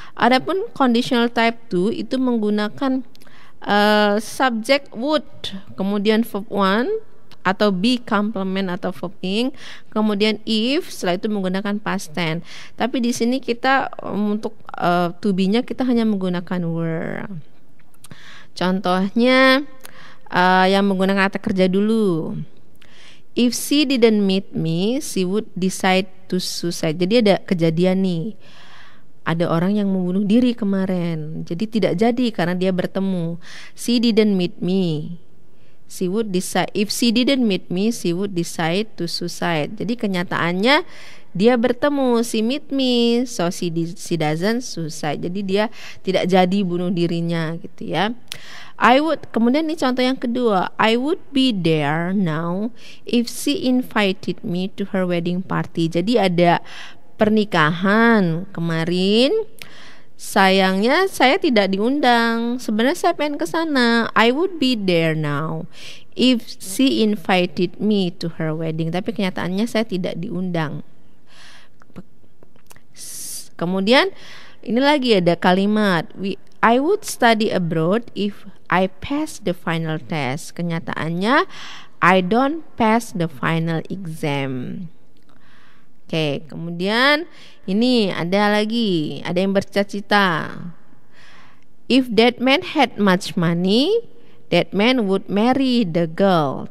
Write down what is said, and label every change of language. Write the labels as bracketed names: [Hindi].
[Indonesian] Adapun conditional type 2 itu menggunakan subject would, kemudian verb 1 atau be complement atau verbing, kemudian if, setelah itu menggunakan past tense. Tapi di sini kita untuk to be-nya kita hanya menggunakan were. Contohnya yang menggunakan kata kerja dulu. [English] If she didn't meet me, she would decide to suicide. [Indonesian] Jadi ada kejadian nih. Ada orang yang membunuh diri kemarin. Jadi tidak jadi karena dia bertemu. [English] She didn't meet me. She would decide. If she didn't meet me, she would decide to suicide. [Indonesian] Jadi kenyataannya dia bertemu, [English] she meet me, so she doesn't suicide. [Indonesian] Jadi dia tidak jadi bunuh dirinya gitu ya. [English] I would, [Indonesian] kemudian ini contoh yang kedua. [English] I would be there now if she invited me to her wedding party. [Indonesian] Jadi ada pernikahan kemarin, sayangnya saya tidak diundang. Sebenarnya saya pengen ke sana. [English] I would be there now if she invited me to her wedding. [Indonesian] Tapi kenyataannya saya tidak diundang. Kemudian ini lagi ada kalimat, [English] I would study abroad if I pass the final test. [Indonesian] Kenyataannya [English] I don't pass the final exam. [Indonesian] Oke, kemudian ini ada lagi, ada yang bercita-cita. [English] If that man had much money, that man would marry the girl.